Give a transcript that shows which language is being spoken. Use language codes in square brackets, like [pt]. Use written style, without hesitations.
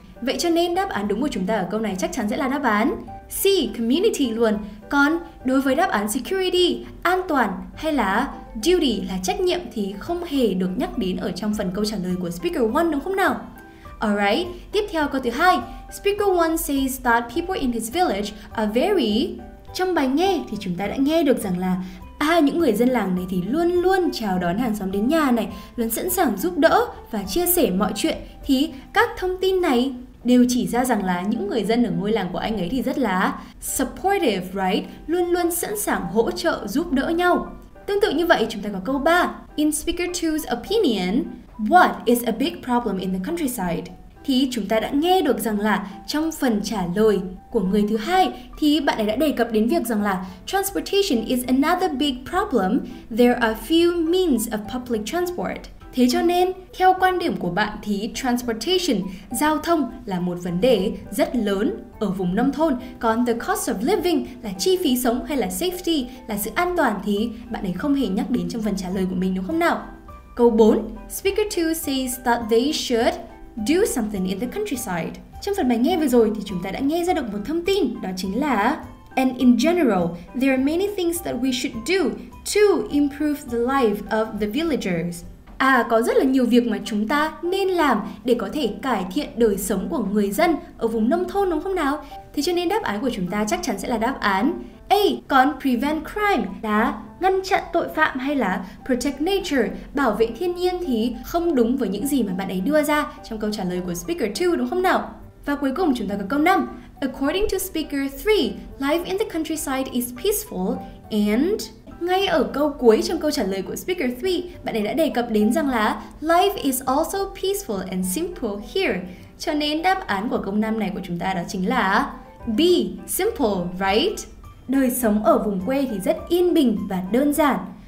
[vi] Vậy cho nên đáp án đúng của chúng ta ở câu này chắc chắn sẽ là đáp án C, community luôn. Còn đối với đáp án security, an toàn hay là duty là trách nhiệm thì không hề được nhắc đến ở trong phần câu trả lời của speaker 1 đúng không nào? Alright, tiếp theo câu thứ 2. [en] Speaker 1 says that people in his village are very... [vi] Trong bài nghe thì chúng ta đã nghe được rằng là những người dân làng này thì luôn luôn chào đón hàng xóm đến nhà này, luôn sẵn sàng giúp đỡ và chia sẻ mọi chuyện. Thì các thông tin này đều chỉ ra rằng là những người dân ở ngôi làng của anh ấy thì rất là supportive, right? Luôn luôn sẵn sàng hỗ trợ, giúp đỡ nhau. Tương tự như vậy, chúng ta có câu 3. [en] In speaker 2's opinion, what is a big problem in the countryside? [vi] thì chúng ta đã nghe được rằng là trong phần trả lời của người thứ hai thì bạn ấy đã đề cập đến việc rằng là [en] transportation is another big problem. There are few means of public transport. [vi] Thế cho nên, theo quan điểm của bạn thì transportation, giao thông là một vấn đề rất lớn ở vùng nông thôn. Còn the cost of living là chi phí sống hay là safety là sự an toàn thì bạn ấy không hề nhắc đến trong phần trả lời của mình đúng không nào? Câu 4. [en] Speaker 2 says that they should do something in the countryside. [vi] Trong phần bài nghe vừa rồi thì chúng ta đã nghe ra được một thông tin, đó chính là [en] And in general, there are many things that we should do to improve the life of the villagers. [vi] À, có rất là nhiều việc mà chúng ta nên làm để có thể cải thiện đời sống của người dân ở vùng nông thôn đúng không nào? Thế cho nên đáp án của chúng ta chắc chắn sẽ là đáp án A. Còn prevent crime là ngăn chặn tội phạm hay là protect nature, bảo vệ thiên nhiên thì không đúng với những gì mà bạn ấy đưa ra trong câu trả lời của speaker 2 đúng không nào? Và cuối cùng chúng ta có câu 5. [en] According to speaker 3, life in the countryside is peaceful and... [vi] Ngay ở câu cuối trong câu trả lời của speaker 3, bạn ấy đã đề cập đến rằng là [en] life is also peaceful and simple here. [vi] Cho nên đáp án của câu 5 này của chúng ta đó chính là B. [en] Simple, right? [vi] Đời sống ở vùng quê thì rất yên bình và đơn giản.